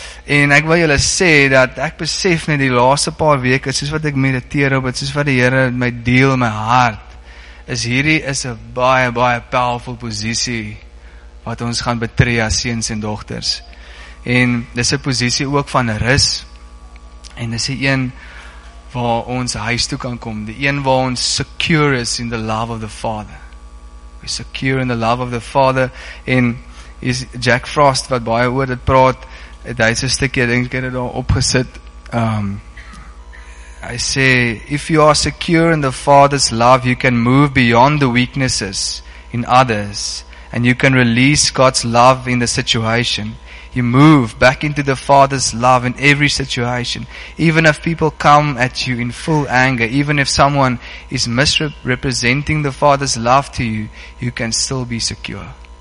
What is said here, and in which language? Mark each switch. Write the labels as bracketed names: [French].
[Afrikaans] En ek wil julle sê, dat ek besef net die laaste paar weke, soos wat ek mediteer op het, soos wat die Here my deel, my hart, is hierdie is 'n baie, baie powerful posisie wat ons gaan betree as seuns en dogters. En dis 'n posisie ook van rus. En dis 'n een waar ons huis toe kan kom. Die een waar ons [English] secure is in the love of the Father. We're secure in the love of the Father. [Afrikaans] En is Jack Frost wat baie oor dit praat, het hy so 'n stukkie dink het daar opgesit. [English] I say, if you are secure in the Father's love, you can move beyond the weaknesses in others and you can release God's love in the situation. You move back into the Father's love in every situation. Even if people come at you in full anger, even if someone is misrepresenting the Father's love to you, you can still be secure.